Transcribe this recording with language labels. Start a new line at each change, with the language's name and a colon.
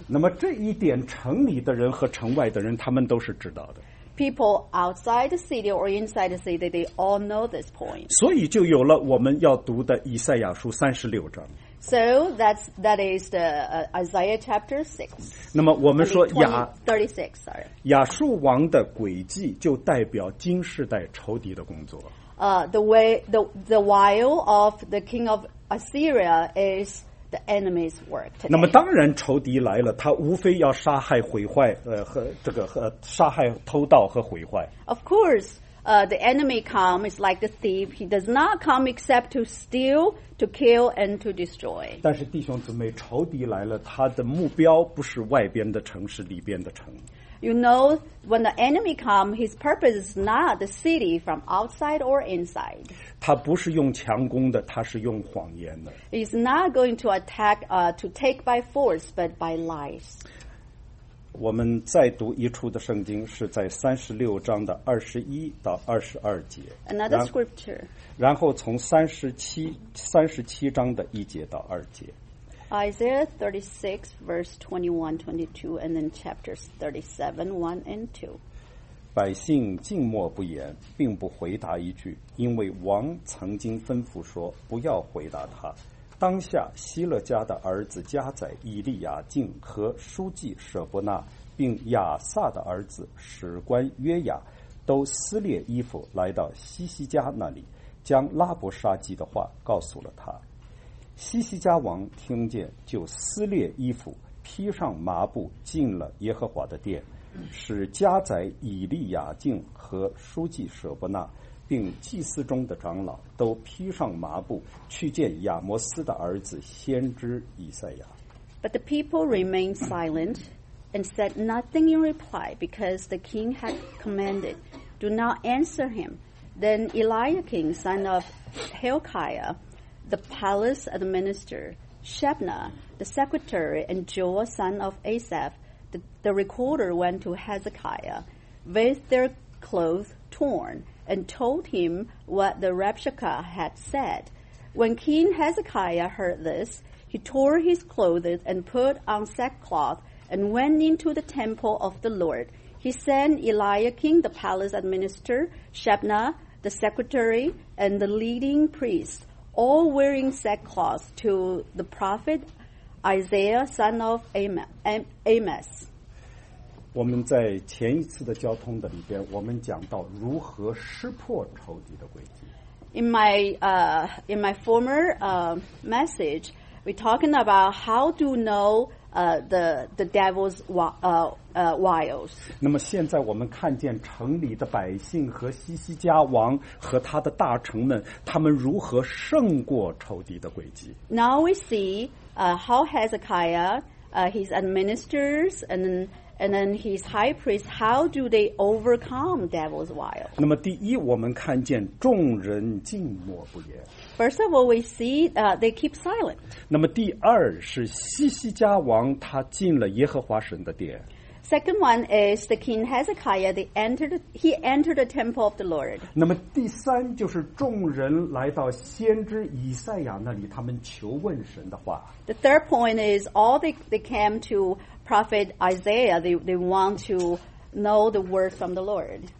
Chinese: 那么这一点，城里的人和城外的人，他们都是知道的。
English: People outside the city or inside the city, they all know this point.
Chinese: 所以就有了我们要读的以赛亚书三十六章。
English: So that is the Isaiah chapter 6.
Chinese: 那么我们说亚
English: 36, sorry.
Chinese: 亚述王的诡计就代表今世代仇敌的工作。
English: The wile of the king of Assyria is the enemy's work today.
Chinese: 那么当然仇敌来了，他无非要杀害毁坏和这个和杀害偷盗和毁坏。
English: Of course. The enemy come is like a thief. He does not come except to steal, to kill, and to destroy.
Chinese: 但是弟兄姊妹，仇敌来了，他的目标不是外边的城，是里边的城。
English: You know, when the enemy comes, his purpose is not the city from outside or inside.
Chinese: 他不是用强攻的，他是用谎言的。
English: He's not going to attack, to take by force, but by lies.
Chinese: 我们再读一处的圣经，是在36章21到22节。
English: Another scripture.
Chinese: 然后从37章的1节到2节。
English: Isaiah 36, verse 21, 22, and then chapters 37, 1 and 2.
Chinese: 百姓静默不言，并不回答一句，因为王曾经吩咐说，不要回答他。当下希勒家的儿子加宰、以利亚敬和书记舍伯纳，并亚萨的儿子史官约雅，都撕裂衣服来到西西家那里，将拉伯沙基的话告诉了他。西西家王听见，就撕裂衣服，披上麻布，进了耶和华的殿，使加宰、以利亚敬和书记舍伯纳，并祭司中的长老都披上麻布，去见亚摩斯的儿子先知以赛亚。
English: But the people remained silent and said nothing in reply, because the king had commanded, "Do not answer him." Then Eliakim, son of Hilkiah, the palace administrator, Shebna, the secretary, and Joel, son of Asaph, the recorder, went to Hezekiah with their clothes torn and told him what the Rabshakeh had said. When King Hezekiah heard this, he tore his clothes and put on sackcloth and went into the temple of the Lord. He sent Eliakim, the palace administrator, Shebna, the secretary, and the leading priest, all wearing sackcloth, to the prophet Isaiah, son of Amos.
Chinese: 我们在前一次的交通的里边，我们讲到如何识破仇敌的诡计。
English: In my former message, we talking about how to know the devil's wiles.
Chinese: 那么现在我们看见城里的百姓和西西家王和他的大臣们，他们如何胜过仇敌的诡计。
English: Now we see how Hezekiah, his administrators, and then his high priest, how do they overcome devil's wiles?
Chinese: 那么第一，我们看见众人静默不言。
English: First of all, we see they keep silent.
Chinese: 那么第二是西西家王他进了耶和华神的殿。
English: Second one is the king Hezekiah, he entered the temple of the Lord.
Chinese: 那么第三就是众人来到先知以赛亚那里，他们求问神的话。
English: The third point is all they came to prophet Isaiah, they want to know the word from the Lord.